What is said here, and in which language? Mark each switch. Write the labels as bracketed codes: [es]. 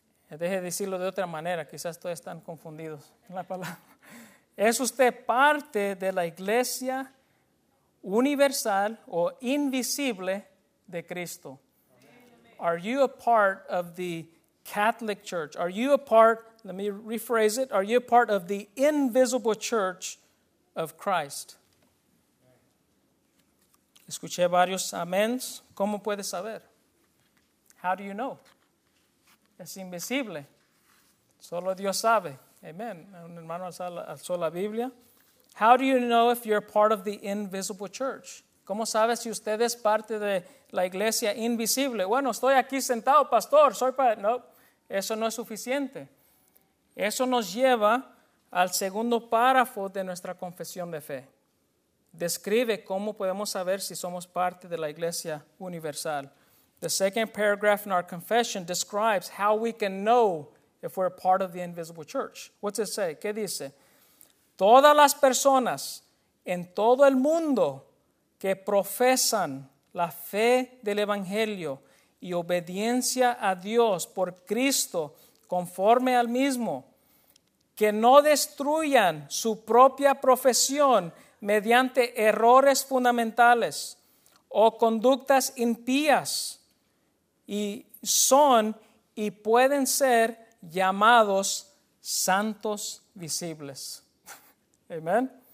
[es] Deje de decirlo de otra manera, quizás todos están confundidos en la palabra. ¿Es usted parte de la iglesia universal o invisible de Cristo? Amen. [en] Are you a part of the Catholic Church? Are you a part, let me rephrase it, are you a part of the invisible church of Christ? [es] Escuché varios amens. ¿Cómo puedes saber? [en] How do you know? [es] Es invisible. Solo Dios sabe. Amen. Un hermano alzó la Biblia. [en] How do you know if you're part of the invisible church? [es] ¿Cómo sabes si usted es parte de la iglesia invisible? Bueno, estoy aquí sentado, pastor. Soy para... No, eso no es suficiente. Eso nos lleva al segundo párrafo de nuestra confesión de fe. Describe cómo podemos saber si somos parte de la iglesia universal. [en] The second paragraph in our confession describes how we can know if we're part of the invisible church. What's it say? [es] ¿Qué dice? Todas las personas en todo el mundo que profesan la fe del Evangelio y obediencia a Dios por Cristo conforme al mismo, que no destruyan su propia profesión mediante errores fundamentales o conductas impías, y son y pueden ser llamados santos visibles. Amén.